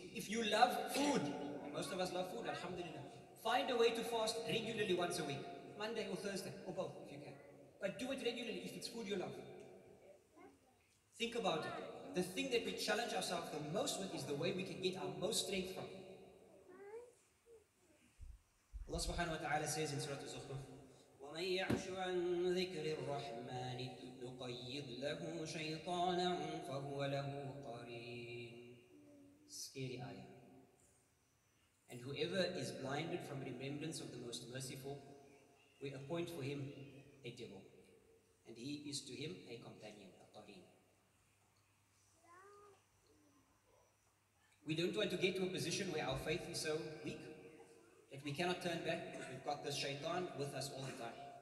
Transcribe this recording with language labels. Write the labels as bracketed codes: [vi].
[en] If you love food, and most of us love food, alhamdulillah, find a way to fast regularly once a week, Monday or Thursday, or both, if you can. But do it regularly if it's food you love. Think about it. The thing that we challenge ourselves the most with is the way we can get our most strength from. Allah subhanahu wa ta'ala says in Surah Az-Zukhruf, [ar] وَمَنْ يَعْشُ عَنْ ذِكْرِ الرَّحْمَنِ نُقَيِّضْ لَهُ شَيْطَانًا فَهُوَ لَهُ قَرِينٌ. [en] Scary ayah. And whoever is blinded from remembrance of the Most Merciful, we appoint for him a devil. And he is to him a companion, a qareen. We don't want to get to a position where our faith is so weak that we cannot turn back because we've got this shaitan with us all the time.